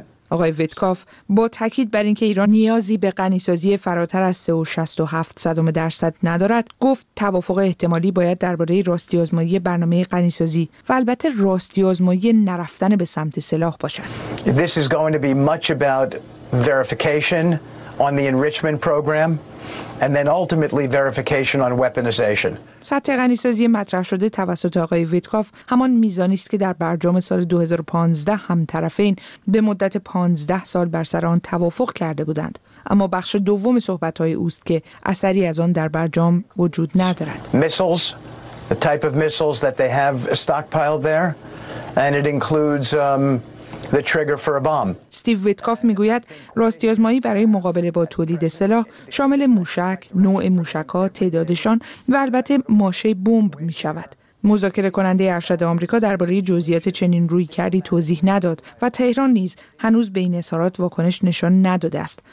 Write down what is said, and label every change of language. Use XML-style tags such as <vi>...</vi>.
<fa>آقای ویتکوف با تاکید بر اینکه ایران نیازی به غنی‌سازی فراتر از 3.67% ندارد، گفت توافق احتمالی باید درباره راستی آزمایی برنامه غنی‌سازی و البته راستی آزمایی نرفتن به سمت سلاح باشد.</fa> <en>This is going to be much about verification on the enrichment program and then ultimately verification on weaponization.</en> <fa>سطح غنی‌سازی مطرح شده توسط آقای ویتکوف همان میزانی است که در برجام سال 2015 هم طرفین به مدت 15 سال بر سر آن توافق کرده بودند، اما بخش دوم صحبت‌های اوست که اثری از آن در برجام وجود ندارد.</fa> <en>Missiles, the type of missiles that they have stockpiled there, and it includes the trigger for a bomb.</en> <fa>استیو ویتکوف میگوید راستی آزمایی برای مقابله با تولید سلاح شامل موشک، نوع موشک‌ها، تعدادشان و البته ماشه بمب می‌شود. مذاکره کننده ارشد آمریکا درباره جزئیات چنین رویکردی توضیح نداد و تهران نیز هنوز به این اظهارات واکنش نشان نداده است.</fa>